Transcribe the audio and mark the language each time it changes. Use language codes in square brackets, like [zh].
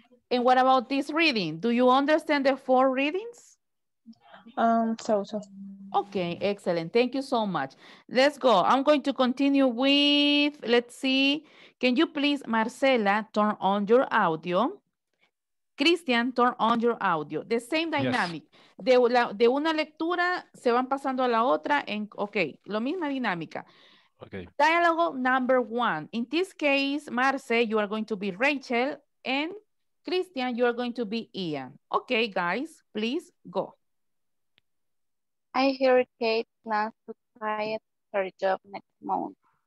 [en] And what about this reading? Do you understand the four readings? So. Okay, excellent. Thank you so much. Let's go. I'm going to continue with, let's see. Can you please, Marcela, turn on your audio? Christian, turn on your audio. The same dynamic. Yes. [es] De una lectura se van pasando a la otra. Okay, lo misma dinámica. [en] Okay. Dialogue number one. In this case, Marce, you are going to be Rachel. And Christian, you are going to be Ian. Okay, guys, please go. I hear Kate plans to quit her job next month.